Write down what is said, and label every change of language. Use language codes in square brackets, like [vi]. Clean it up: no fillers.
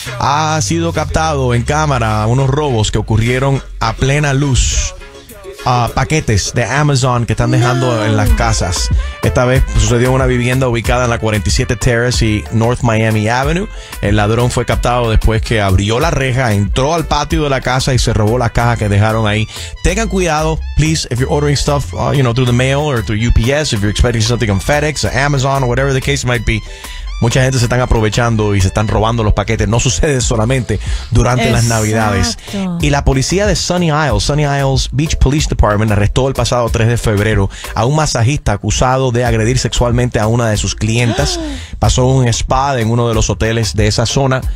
[es] Ha sido captado en cámara unos robos que ocurrieron a plena luz. Paquetes de Amazon que están dejando en las casas. Esta vez sucedió en una vivienda ubicada en la 47 Terrace y North Miami Avenue. El ladrón fue captado después que abrió la reja, entró al patio de la casa y se robó la caja que dejaron ahí. Tengan cuidado, [en] please, if you're ordering stuff, you know, through the mail or through UPS, if you're expecting something on FedEx or Amazon or whatever the case might be. [es] Mucha gente se están aprovechando y se están robando los paquetes. No sucede solamente durante las Navidades. Y la policía de Sunny Isles Beach Police Department arrestó el pasado 3 de febrero a un masajista acusado de agredir sexualmente a una de sus clientas. Pasó un spa en uno de los hoteles de esa zona.